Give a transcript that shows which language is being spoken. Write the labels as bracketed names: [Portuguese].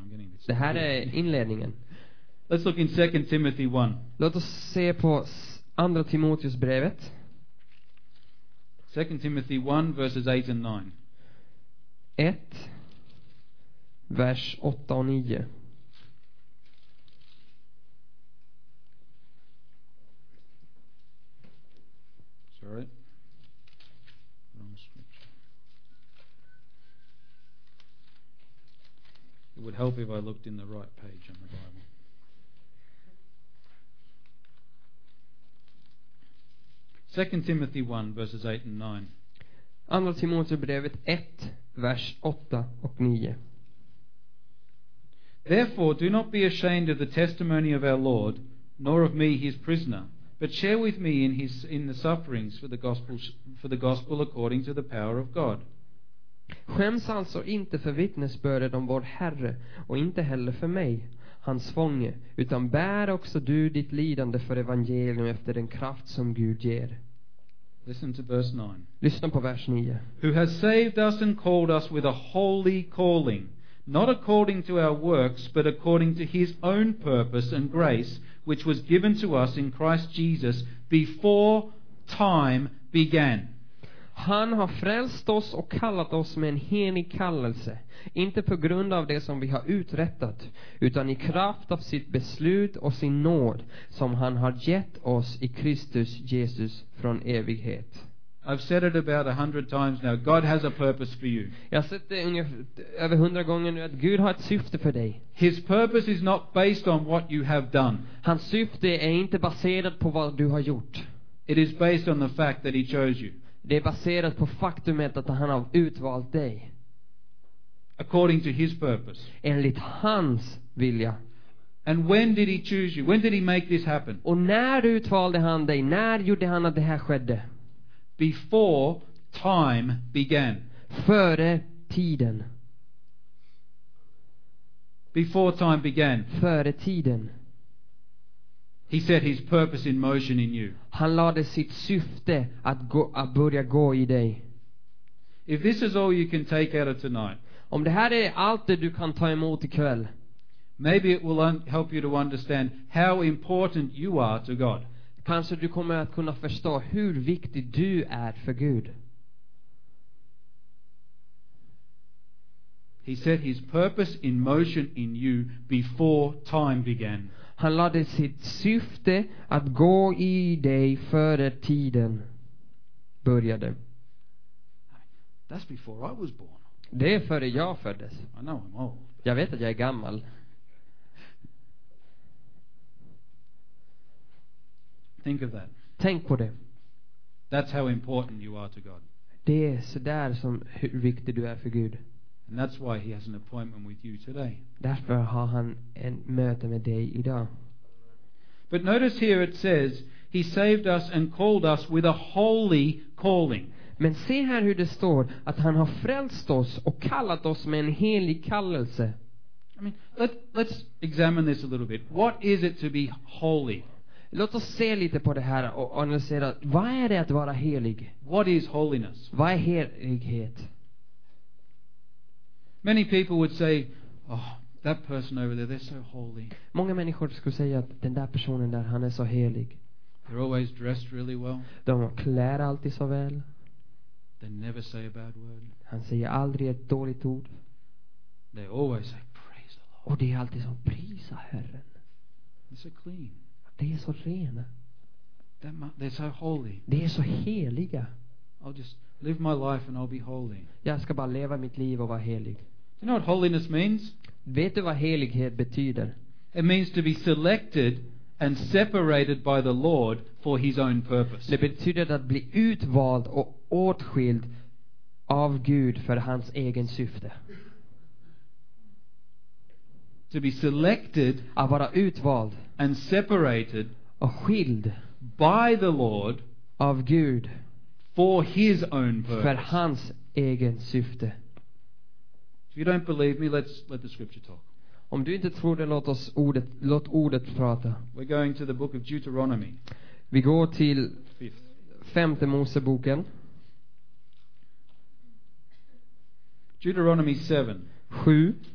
[English] I'm getting this. [Swedish] Det här är inledningen. [English] Let's look in 2 Timothy 1. [Swedish] Låt oss se på andra Timoteus brevet. [English] 2 Timothy 1 verses 8 and 9. [Swedish] 1 vers 8 och 9. [English] Sorry. Wrong scripture. It would help if I looked in the right page in the Bible. Second Timothy 1 verses 8 and 9. [Swedish] Andra Timoteusbrevet 1 vers 8 och 9. [English] Therefore, do not be ashamed of the testimony of our Lord, nor of me, his prisoner, but share with me in the sufferings for the gospel according to the power of God. [Swedish] Skäms alltså inte för vittnesbördet om vår Herre och inte heller för mig, hans fånge, utan bär också du ditt lidande för evangelium efter den kraft som Gud ger. [English] Listen to verse 9. [Swedish] Lyssna på vers 9. [English] Who has saved us and called us with a holy calling, not according to our works, but according to his own purpose and grace, which was given to us in Christ Jesus before time began. [Swedish] Han har frälst oss och kallat oss med en helig kallelse, inte på grund av det som vi har uträttat, utan i kraft av sitt beslut och sin nåd som han har gett oss i Kristus Jesus från evighet. [English] I've said it about 100 times now. God has a purpose for you. [Swedish] Jag har sett det över 100 gånger nu att Gud har ett syfte för dig. [English] His purpose is not based on what you have done. [Swedish] Hans syfte är inte baserat på vad du har gjort. [English] It is based on the fact that he chose you. [Swedish] Det är baserat på faktumet att han har utvalt dig. [English] According to his purpose. [Swedish] Enligt hans vilja. [English] And when did he choose you? When did he make this happen? [Swedish] Och när utvalde han dig? När gjorde han att det här skedde? [English] Before time began. [Swedish] Före tiden. [English] Before time began. [Swedish] Före tiden. [English] He set his purpose in motion in you. [Swedish] Han lade sitt syfte att börja gå i dig. [English] If this is all you can take out of tonight. [Swedish] Om det här är allt det du kan ta emot ikväll. [English] Maybe it will help you to understand how important you are to God. [Swedish] Kanske du kommer att kunna förstå hur viktig du är för Gud. [English] He set his purpose in motion in you before time began. [Swedish] Han lade sitt syfte att gå i dig före tiden började. [English] That's before I was born. [Swedish] Det är före jag föddes. [English] I know I'm old. [Swedish] Jag vet att jag är gammal. [English] Think of that. [Swedish] Tänk på det. [English] That's how important you are to God. [Swedish] Det är så där som hur viktig du är för Gud. [English] And that's why he has an appointment with you today. [Swedish] Därför har han en möte med dig idag. [English] But notice here it says he saved us and called us with a holy calling. [Swedish] Men se här hur det står att han har frälst oss och kallat oss med en helig kallelse. [English] I mean, let's examine this a little bit. What is it to be holy? [Swedish] Låt oss se lite på det här och analysera. Vad är det att vara helig? [English] What is holiness? [Swedish] Vad är helighet? [English] Many people would say, oh, that person over there, they're so holy. [Swedish] Många människor skulle säga att den där personen där, han är så helig. [English] They're always dressed really well. [Swedish] De klär alltid så väl. [English] They never say a bad word. [Swedish] Han säger aldrig ett dåligt ord. [English] They always say, praise the Lord. [Swedish] Och det är alltid så, prisa Herren. [English] They're so clean. [Swedish] De är så rena. [English] They're so holy. [Swedish] De är så heliga. [English] I'll just live my life and I'll be holy. [Swedish] Jag ska bara leva mitt liv och vara helig. [English] Do you know what holiness means? [Swedish] Vet du vad helighet betyder? [English] It means to be selected and separated by the Lord for his own purpose. [Swedish] Det betyder att bli utvald och åtskild av Gud för hans egen syfte. [English] To be selected, [Swedish] att vara utvald, [English] and separated, [Swedish] och skild, [English] by the Lord, [Swedish] av Gud, [English] for his own purpose, [Swedish] för hans egen syfte. [English] If you don't believe me, let's let the scripture talk. [Swedish] Om du inte tror det, låt ordet prata. [English] We're going to the book of Deuteronomy. [Swedish] Vi går till femte Moseboken. [English] Deuteronomy 7. 7.